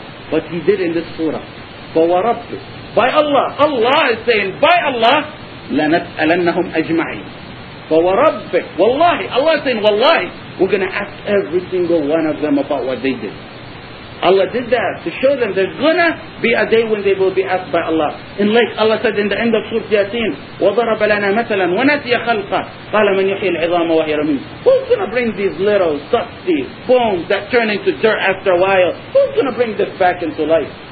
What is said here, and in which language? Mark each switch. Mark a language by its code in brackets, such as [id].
[en] But He did in this surah. [ar] فَوَرَبْتُ. [en] By Allah. Allah is saying, by Allah, [ar] لَنَسْأَلَنَّهُمْ أَجْمَعِينَ. فَوَرَبِّكْ. [en] Wallahi, Allah is saying, wallahi, we're going to ask every single one of them about what they did. Allah did that to show them there's going to be a day when they will be asked by Allah. And like Allah said in the end of Surah Yasin, [ar] وَضَرَبَ لَنَا مَثَلًا وَنَسِيَ خَلْقًا قَالَ مَنْ يُحِي الْعِظَامَ وَهِيَ رَمِيمٌ. [en] Who's going to bring these little dusty bones that turn into dirt after a while? Who's going to bring this back into life?